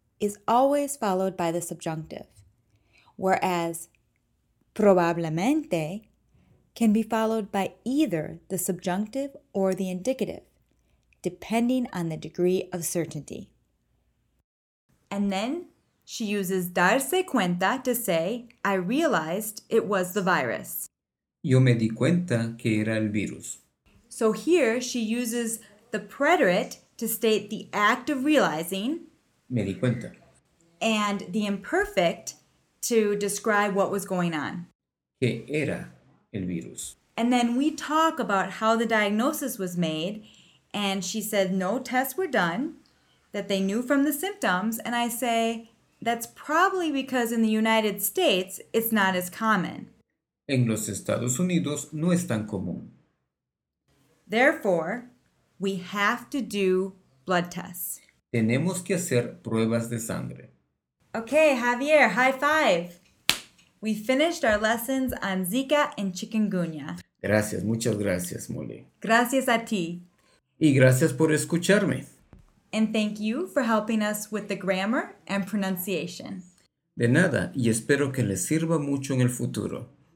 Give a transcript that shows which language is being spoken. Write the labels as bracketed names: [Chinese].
[English] is always followed by the subjunctive, whereas probablemente can be followed by either the subjunctive or the indicative, depending on the degree of certainty. And then she uses darse cuenta to say, I realized it was the virus. [Spanish] Yo me di cuenta que era el virus. [English] So here she uses the preterite to state the act of realizing. [Spanish] Me di cuenta. [English] And the imperfect to describe what was going on. [Spanish] Que era el virus. [English] And then we talk about how the diagnosis was made, and she said no tests were done, that they knew from the symptoms, and I say that's probably because in the United States it's not as common. [Spanish] En los Estados Unidos no es tan común. [English] Therefore, we have to do blood tests. [Spanish] Tenemos que hacer pruebas de sangre. [English] Okay, Javier, high five. We finished our lessons on Zika and chikungunya. [Spanish] Gracias, muchas gracias, Molly. Gracias a ti. Y gracias por escucharme. [English] And thank you for helping us with the grammar and pronunciation. [Spanish] De nada, y espero que les sirva mucho en el futuro.